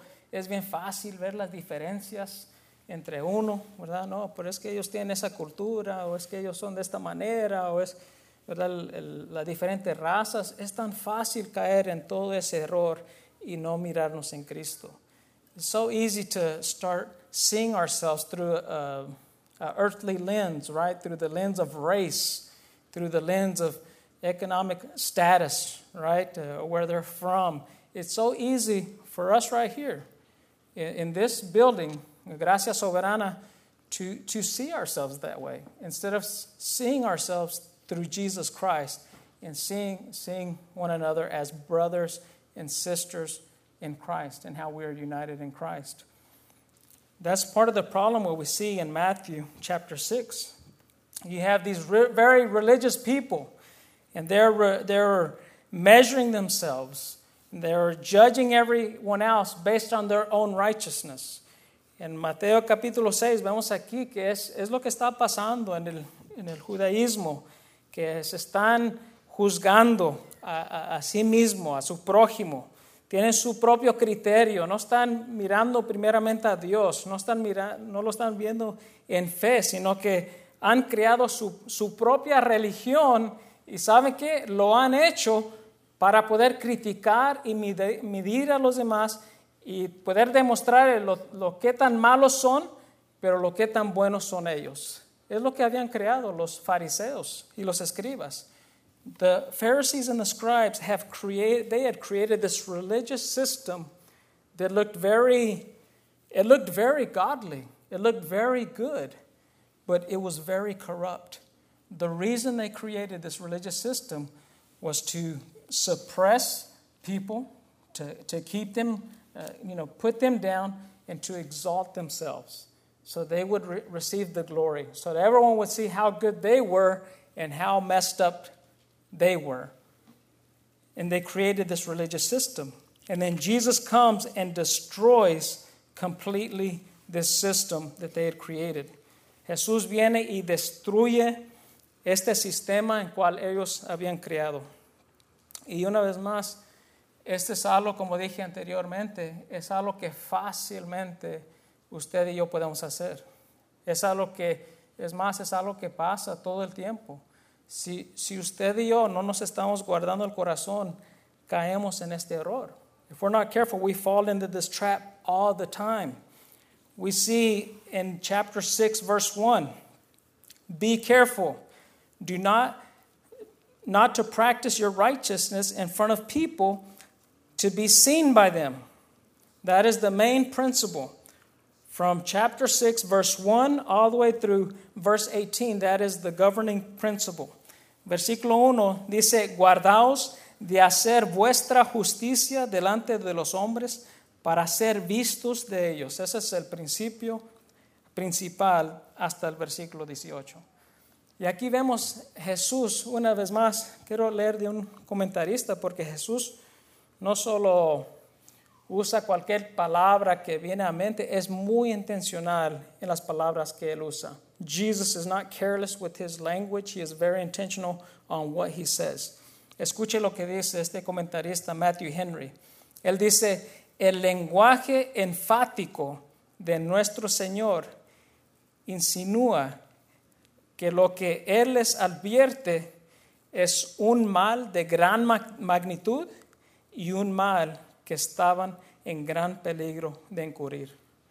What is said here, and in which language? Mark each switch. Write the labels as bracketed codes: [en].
[es] Es bien fácil ver las diferencias entre uno, ¿verdad? No, pero es que ellos tienen esa cultura, o es que ellos son de esta manera, o es, ¿verdad?, las diferentes razas. Es tan fácil caer en todo ese error y no mirarnos en Cristo. [en] It's so easy to start seeing ourselves through an earthly lens, right? Through the lens of race, through the lens of economic status, right? Where they're from. It's so easy for us right here in this building, Gracia Soberana, to see ourselves that way instead of seeing ourselves through Jesus Christ and seeing one another as brothers and sisters in Christ and how we are united in Christ. That's part of the problem what we see in Matthew chapter 6. You have these very religious people and they're measuring themselves. They're judging everyone else based on their own righteousness. [es] En Mateo capítulo 6 vemos aquí que es lo que está pasando en el judaísmo, que se están juzgando a sí mismo, a su prójimo. Tienen su propio criterio, no están mirando primeramente a Dios, no lo están viendo en fe, sino que han creado su propia religión y saben que lo han hecho para poder criticar y medir a los demás y poder demostrar lo que tan malos son, pero lo que tan buenos son ellos. Es lo que habían creado los fariseos y los escribas. [en] The Pharisees and the scribes had created this religious system that looked very godly. It looked very good, but it was very corrupt. The reason they created this religious system was to suppress people, to keep them, put them down, and to exalt themselves so they would receive the glory, so that everyone would see how good they were and how messed up they were. And they created this religious system. And then Jesus comes and destroys completely this system that they had created. [es] Jesús viene y destruye este sistema en cual ellos habían creado. Y una vez más, este es algo, como dije anteriormente, es algo que fácilmente usted y yo podemos hacer. Es algo que, es más, es algo que pasa todo el tiempo. Si usted y yo no nos estamos guardando el corazón, caemos en este error. [en] If we're not careful, we fall into this trap all the time. We see in chapter 6, verse 1, be careful. Do not to practice your righteousness in front of people to be seen by them. That is the main principle. From chapter 6, verse 1, all the way through verse 18, that is the governing principle. [es] Versículo 1 dice, guardaos de hacer vuestra justicia delante de los hombres para ser vistos de ellos. Ese es el principio principal hasta el versículo 18. Y aquí vemos Jesús, una vez más, quiero leer de un comentarista, porque Jesús no solo usa cualquier palabra que viene a mente, es muy intencional en las palabras que él usa. [en] Jesus is not careless with his language. He is very intentional on what he says. [es] Escuche lo que dice este comentarista Matthew Henry. Él dice, el lenguaje enfático de nuestro Señor insinúa que lo que él les advierte es un mal de gran magnitud y un mal que estaban en gran peligro de incurrir.